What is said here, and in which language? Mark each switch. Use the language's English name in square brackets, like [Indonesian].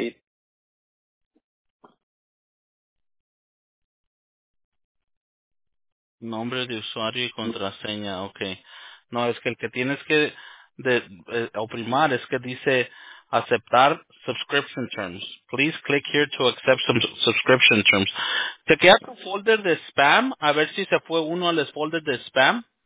[Spanish] Y nombre de usuario y contraseña, okay. No, es que el que tienes que oprimar es que dice aceptar [English] subscription terms. Please click here to accept some subscription terms. [Spanish] ¿Te queda tu folder de spam? A ver si se fue uno al folder de spam.